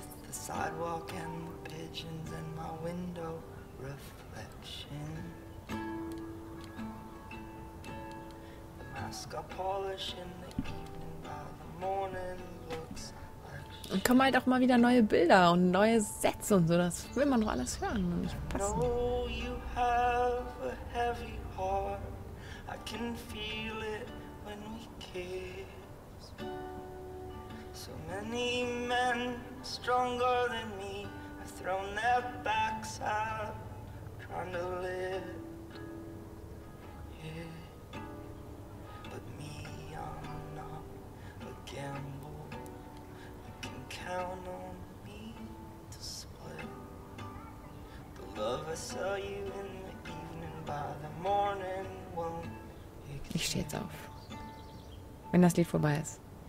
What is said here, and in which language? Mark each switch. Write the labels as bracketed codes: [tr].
[en] Sidewalk and the pigeons in my window reflection. The mask I polish in the evening by the morning looks like. [de] Und komm halt auch mal wieder neue Bilder und neue Sätze und so, das will man doch alles hören und nicht passen. [en] No, you have a heavy heart. I can feel it when we kiss. So many men stronger than me have thrown their backs out trying to live, yeah. But me, I'm not a gamble. You can count on me to split the love I sell you in the evening by the morning won't exist. [de] Ich steh jetzt auf, wenn das Lied vorbei ist.